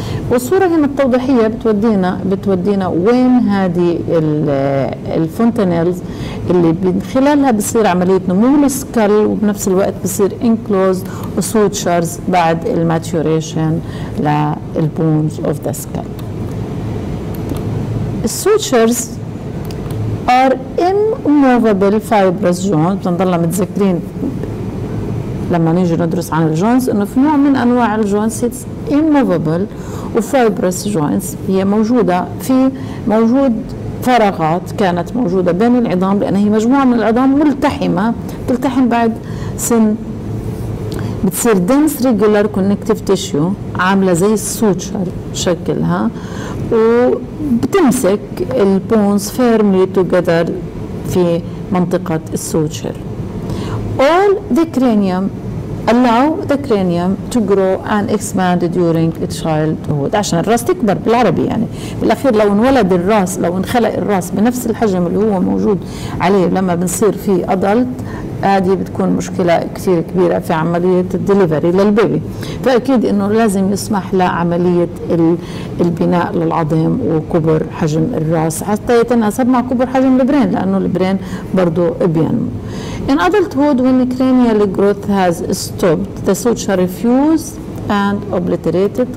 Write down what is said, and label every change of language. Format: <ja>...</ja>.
<ar>والصورة هنا التوضيحية بتودينا وين هذه الفونتانيلز اللي من خلالها بصير عملية نمو السكال، وبنفس الوقت بصير</ar> <en>enclosed sutures</en> <ar>بعد الماتوريشن للبونز</ar> <en>of the skull. السوتشرز are immovable fibrous joints.</en> <ar>بتنضل متذكرين لما نيجي ندرس عن الجونز انه في نوع من انواع الجونز</ar> <en>it's immovable،</en> <ar>وفايبرس جوينز هي موجودة، في موجود فراغات كانت موجودة بين العظام لأن هي مجموعة من العظام ملتحمة، تلتحم بعد سن، بتصير</ar> <en>dense regular connective tissue</en> <ar>عاملة زي السوتشر شكلها، وبتمسك البونز</ar> <en>firmly together</en> <ar>في منطقة السوتشر.</ar> <en>All the cranium allow the cranium to grow and expand during its childhood،</en> <ar>عشان الراس تكبر. بالعربي يعني بالأخير لو انولد الراس، لو انخلق الراس بنفس الحجم اللي هو موجود عليه لما بنصير فيه adult، هذه بتكون مشكلة كثير كبيرة في عملية الدليفري للبيبي. فأكيد أنه لازم يسمح لعملية البناء للعظم وكبر حجم الرأس حتى يتناسب مع كبر حجم البرين، لأنه البرين برضو بينمو.</ar> <en>In adult hood when the cranial growth has stopped, the suture refused and obliterated.</en>